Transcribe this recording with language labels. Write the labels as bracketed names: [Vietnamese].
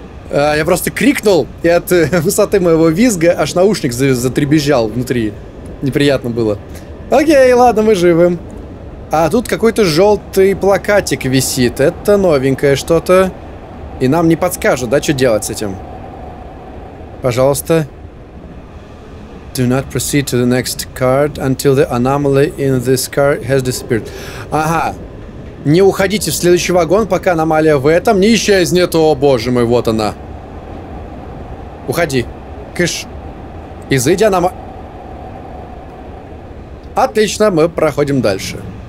[Russian] Я просто крикнул, и от высоты моего визга аж наушник затребезжал внутри. Неприятно было. Окей, ладно, мы живы. А тут какой-то желтый плакатик висит. Это новенькое что-то. И нам не подскажут, да, что делать с этим. Пожалуйста. [English] Do not proceed to the next card until the anomaly in this car has disappeared. [Russian] Ага. Не уходите в следующий вагон, пока аномалия в этом не исчезнет. О, боже мой, вот она. Уходи. Кыш. Изыди аномалия. Отлично, мы проходим дальше.